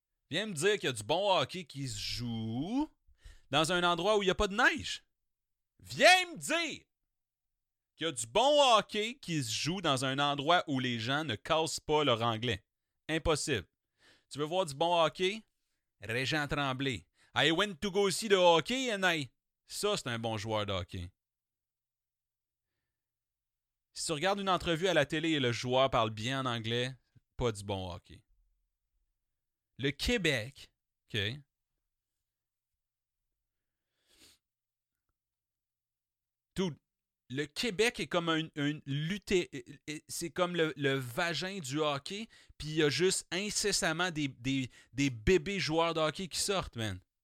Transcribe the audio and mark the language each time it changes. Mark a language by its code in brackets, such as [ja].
[fr] Viens me dire qu'il y a du bon hockey qui se joue dans un endroit où il n'y a pas de neige. Viens me dire qu'il y a du bon hockey qui se joue dans un endroit où les gens ne cassent pas leur anglais. Impossible. Tu veux voir du bon hockey? Régent Tremblay. [en] I went to go see the hockey and I... [fr] Ça, c'est un bon joueur de hockey. Si tu regardes une entrevue à la télé et le joueur parle bien en anglais, pas du bon hockey. Le Québec, OK, tout, le Québec est comme un lutté, c'est comme le vagin du hockey, puis il y a juste incessamment des bébés joueurs de hockey qui sortent, man.